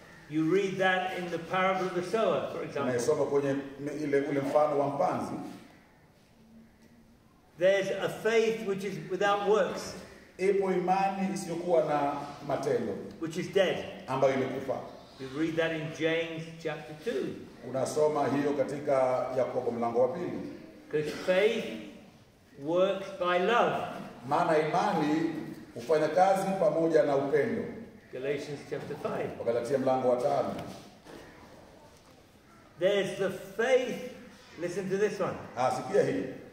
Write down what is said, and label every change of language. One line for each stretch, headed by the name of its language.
English: You read that in the parable of the sower, for example.
Swahili: Unasoma kwenye ile ule mfano wa mpanzi.
English: There's a faith which is without works.
Swahili: Ipo imani isiyokuwa na matendo.
English: Which is dead.
Swahili: Ambayo imekufa.
English: You read that in James chapter 2.
Swahili: Unasoma hiyo katika Yakobo mlango wa pili.
English: Because faith works by love.
Swahili: Maana imani hufanya kazi pamoja na upendo.
English: Galatians chapter 5.
Swahili: Wagalatia mlango wa 5.
English: There's the faith. Listen to this one.
Swahili: Ah, sikia hii.